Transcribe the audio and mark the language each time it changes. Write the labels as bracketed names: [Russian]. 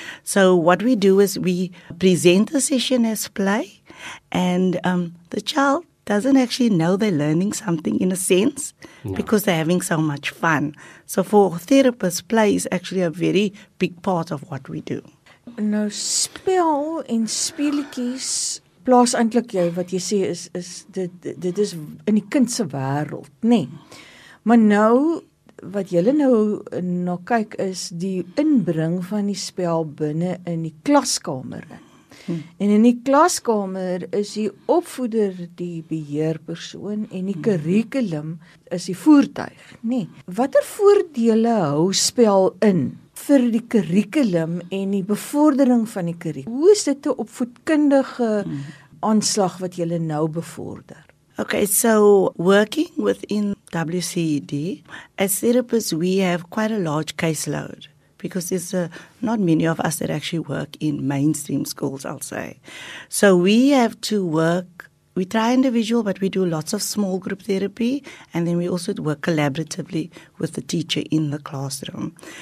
[English] So what we do is we present the session as play and the child doesn't actually know they're learning something in a sense because they're having so much fun. So for therapists, play is actually a very big part of what we do. [Afrikaans] Nou, spel en speletjies, plaas eintlik jy, wat jy sê is dit is in die kindse wêreld, nee. Maar nou, wat jy nou kyk is die inbring van die spel binne in die klaskamer. En in die klaskamer is die opvoeder die beheerpersoon en die curriculum is die voertuig, nee. Watter voordele hou spel in vir die curriculum en die bevordering van die curriculum? Hoe is dit 'n opvoedkundige aanslag wat jy nou bevorder? [English] Okay, so working within WCED, as therapists we have quite a large caseload. Because there's not many of us that actually work in mainstream schools, I'll say. So we have to work we try individual, but we do lots of small group therapy, and then we also work collaboratively with the teacher in the classroom.